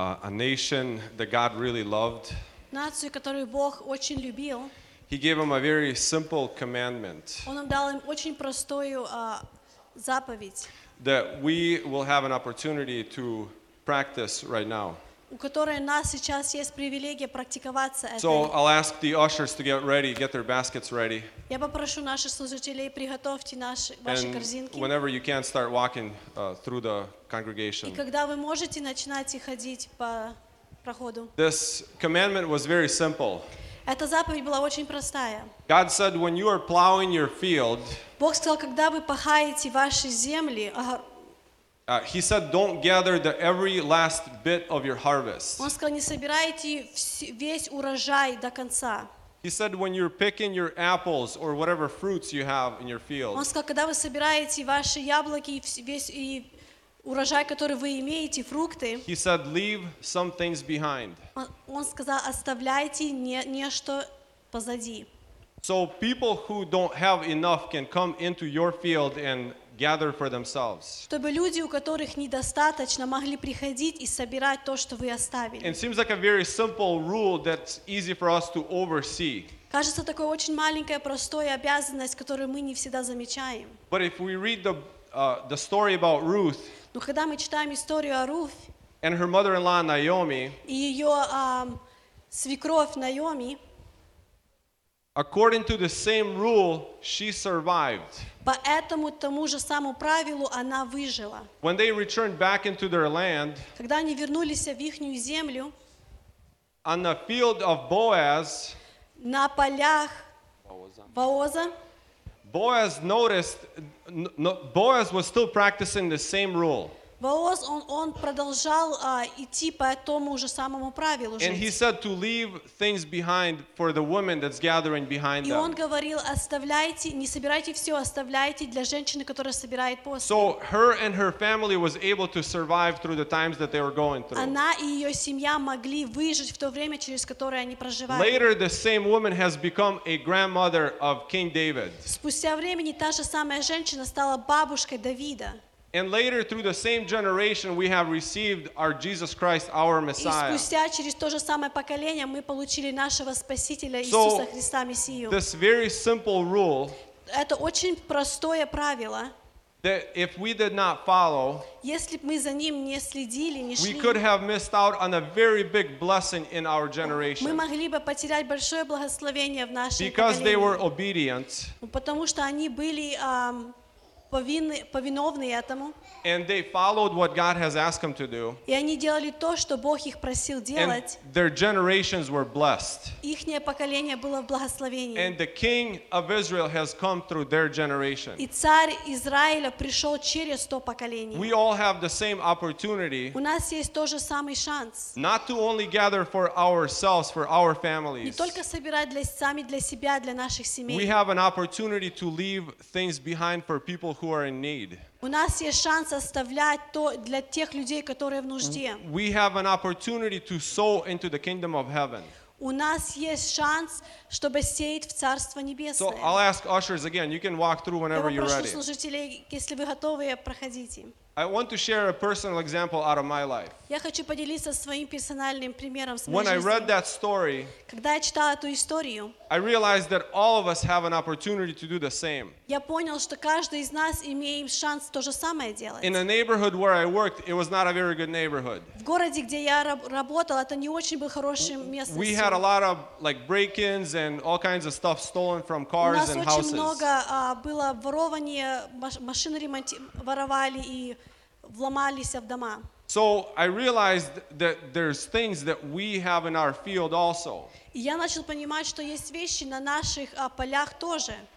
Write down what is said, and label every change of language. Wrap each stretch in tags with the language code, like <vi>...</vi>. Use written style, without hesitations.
<en>Nation that God really loved.</en> <ru>Нацию, которую Бог очень любил.</ru> <en>He gave him a very simple commandment.</en> <ru>Он дал им очень простую заповедь.</ru> <en>That we will have an opportunity to practice right now.</en> <ru>У которой нас сейчас есть привилегия практиковаться это.</ru> <en>So I'll ask the ushers to get ready, get their baskets ready.</en> <ru>Я попрошу наших служителей приготовьте наши ваши корзинки.</ru> <en>Whenever you can start walking through the congregation.</en> <ru>И когда вы можете начинать ходить по проходу.</ru> <en>This commandment was very simple.</en> <ru>Эта заповедь была очень простая.</ru> <en>God said when you are plowing your field.</en> <ru>Бог сказал, когда вы пахаете ваши земли,</ru> <en>He said, "Don't gather the every last bit of your harvest."</en> <ru>Он сказал, не собирайте весь урожай до конца.</ru> <en>He said, "When you're picking your apples or whatever fruits you have in your field."</en> <ru>Он сказал, когда вы собираете ваши яблоки и весь урожай, который вы имеете, фрукты.</ru> <en>He said, "Leave some things behind."</en> <ru>Он сказал, оставляйте нечто позади.</ru> <en>So people who don't have enough can come into your field and gather for themselves.</en> <ru>Чтобы люди, у которых недостаточно, могли приходить и собирать то, что вы оставили.</ru> <en>It seems like a very simple rule that's easy for us to oversee.</en> <ru>Кажется, такой очень маленькая простая обязанность, которую мы не всегда замечаем.</ru> <en>But if we read the story about Ruth.</en> <ru>Но когда мы читаем историю о Рут.</ru> <en>And her mother-in-law Naomi.</en> <ru>И ее свекровь Наоми.</ru> <en>According to the same rule, she survived.</en> <ru>По этому тому же самому правилу она выжила.</ru> <en>When they returned back into their land,</en> <ru>когда они вернулись в ихнюю землю,</ru> <en>on the field of Boaz,</en> <ru>на полях Боаза,</ru> <en>Boaz noticed, Boaz was still practicing the same rule.</en> <ru>Боаз он продолжал идти по этому же самому правилу жить.</ru> <en>And he said to leave things behind for the woman that's gathering behind them.</en> <ru>И он говорил, оставляйте, не собирайте все, оставляйте для женщины, которая собирает после.</ru> <en>So her and her family was able to survive through the times that they were going through.</en> <ru>Она и ее семья могли выжить в то время, через которое они проживали.</ru> <en>Later, the same woman has become a grandmother of King David.</en> <ru>Спустя времени та же самая женщина стала бабушкой Давида.</ru> <en>And later, through the same generation, we have received our Jesus Christ, our Messiah.</en> <ru>И спустя через то же самое поколение мы получили нашего Спасителя Иисуса Христа Мессию.</ru> <en>So this very simple rule.</en> <ru>Это очень простое правило.</ru> <en>That if we did not follow,</en> <ru>если бы мы за ним не следили, не шли,</ru> <en>we could have missed out on a very big blessing in our generation.</en> <ru>Мы могли бы потерять большое благословение в нашем поколении.</ru> <en>Because they were obedient.</en> <ru>Потому что они были повиновные этому.</ru> <en>And they followed what God has asked them to do.</en> <ru>И они делали то, что Бог их просил делать.</ru> <en>And their generations were blessed.</en> <ru>Ихнее поколение было в благословении.</ru> <en>And the king of Israel has come through their generation.</en> <ru>И царь Израиля пришел через то поколение.</ru> <en>We all have the same opportunity.</en> <ru>У нас есть тот же самый шанс.</ru> <en>Not to only gather for ourselves, for our families.</en> <ru>Не только собирать для сами для себя, для наших семей.</ru> <en>We have an opportunity to leave things behind for people who are in need.</en> <ru>У нас есть шанс оставлять то для тех людей, которые в нужде.</ru> <en>We have an opportunity to sow into the kingdom of heaven.</en> <ru>У нас есть шанс, чтобы сеять в Царство Небесное.</ru> <en>So I'll ask ushers again. You can walk through whenever you're ready.</en> <ru>Я попрошу служителей, если вы готовы, проходите.</ru> <en>I want to share a personal example out of my life.</en> <ru>Я хочу поделиться своим персональным примером.</ru> <en>When I read that story,</en> <ru>когда я читала эту историю,</ru> <en>I realized that all of us have an opportunity to do the same.</en> <ru>Я понял, что каждый из нас имеем шанс то же самое делать.</ru> <en>In a neighborhood where I worked, it was not a very good neighborhood.</en> <ru>В городе, где я работала, это не очень было хорошим местом.</ru> <en>We had a lot of like break-ins and all kinds of stuff stolen from cars and houses.</en> <ru>У нас очень много было ворований, машины воровали и вломались в дома.</ru> <en>So I realized that there's things that we have in our field also.</en> <ru>Я начал понимать, что есть вещи на наших полях тоже.</ru>